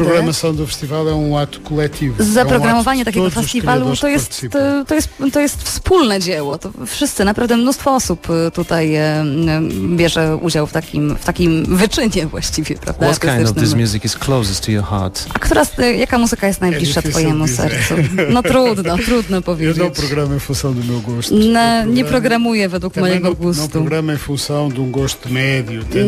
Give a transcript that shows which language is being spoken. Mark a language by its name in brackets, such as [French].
[Portuguese] A programação do festival é um ato coletivo. [Polish] Zaprogramowanie takiego festiwalu to jest wspólne dzieło. To wszyscy, naprawdę mnóstwo osób tutaj bierze udział w takim wyczynie właściwie, prawda? [English] What kind of this music is closest to your heart? [Polish] A jaka muzyka jest najbliższa twojemu sercu? No trudno powiedzieć. Ja nie programuję w funkcji do mojego gustu. Nie programuję według mojego gustu. No programuję w funkcji do gustu medio.